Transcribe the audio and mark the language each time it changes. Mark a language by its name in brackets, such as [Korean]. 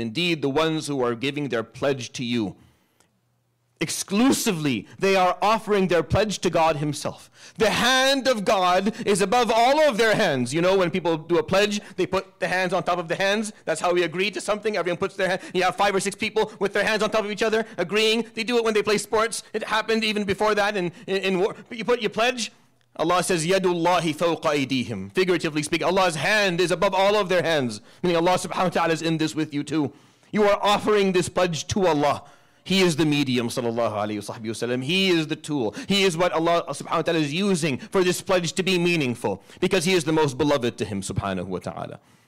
[English] Indeed, the ones who are giving their pledge to you, exclusively, they are offering their pledge to God himself. The hand of God is above all of their hands. You know, when people do a pledge, they put the hands on top of the hands. That's how we agree to something. Everyone puts their hand. You have five or six people with their hands on top of each other, agreeing. They do it when they play sports. It happened even before that in war. But you put your pledge. Allah says, [Arabic] يَدُ اللَّهِ فَوْقَ أَيْدِيهِمْ. [English] Figuratively speaking, Allah's hand is above all of their hands. Meaning Allah subhanahu wa ta'ala is in this with you too. You are offering this pledge to Allah. He is the medium, sallallahu alayhi wa sallam. He is the tool. He is what Allah subhanahu wa ta'ala is using for this pledge to be meaningful, because he is the most beloved to him, subhanahu wa ta'ala.